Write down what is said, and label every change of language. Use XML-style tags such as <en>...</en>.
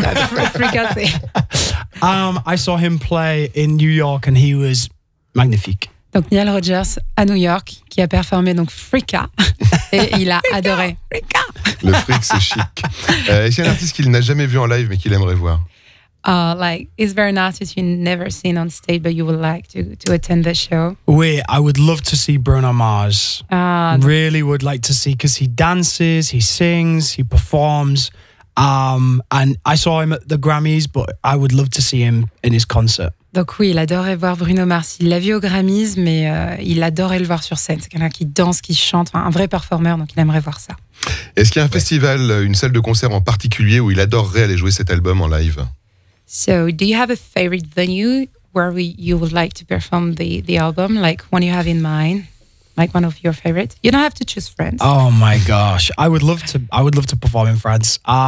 <en>Freak out. I saw him play in New York and he was magnifique.</en> <fr>Donc Nile Rodgers à New York qui a performé donc Freak out. Et il a adoré. Freak out. Le freak, c'est chic. Est-ce qu'il y a un artiste qu'il n'a jamais vu en live mais qu'il aimerait voir?</fr> <en>Like, is there an artist you've never seen on stage, but you would like to attend the show?</en> <fr>Oui,</fr> <en>I would love to see Bruno Mars. Really would like to see, because he dances, he sings, he performs. And I saw him at the Grammys, but I would love to see him in his concert.</en> <fr>Donc oui, il adorait voir Bruno Mars. Il l'a vu aux Grammys, mais il adorait le voir sur scène. C'est quelqu'un qui danse, qui chante, enfin, un vrai performeur, donc il aimerait voir ça. Est-ce qu'il y a un festival, une salle de concert en particulier où il adorerait aller jouer cet album en live?</fr> <en>So, do you have a favorite venue where you would like to perform the album, like one you have in mind, like one of your favorites? You don't have to choose France. Oh my gosh, I would love to perform in France.</en>